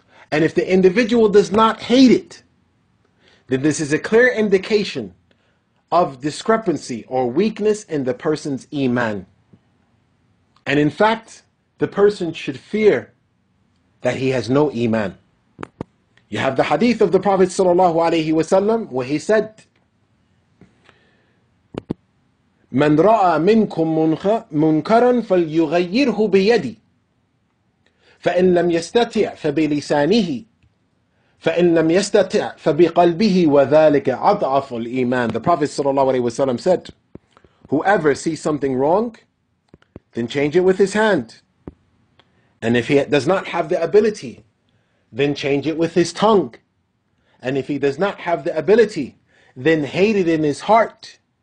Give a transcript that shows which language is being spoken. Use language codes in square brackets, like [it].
[en] And if the individual does not hate it, then this is a clear indication of discrepancy or weakness in the person's iman. And in fact, the person should fear that he has no iman. You have the hadith of the Prophet sallallahu alaihi wasallam where he said, [ar] من راى منكم منكرا فليغيره بيدي فان لم يستطع فبلسانه فان لم يستطع فبقلبه وذلك اضعف الايمان. [en] The Prophet sallallahu alaihi wasallam said, whoever sees something wrong, then change it with his hand. And if he does not have the ability, then change it with his tongue. And if he does not have the ability, then hate it in his heart.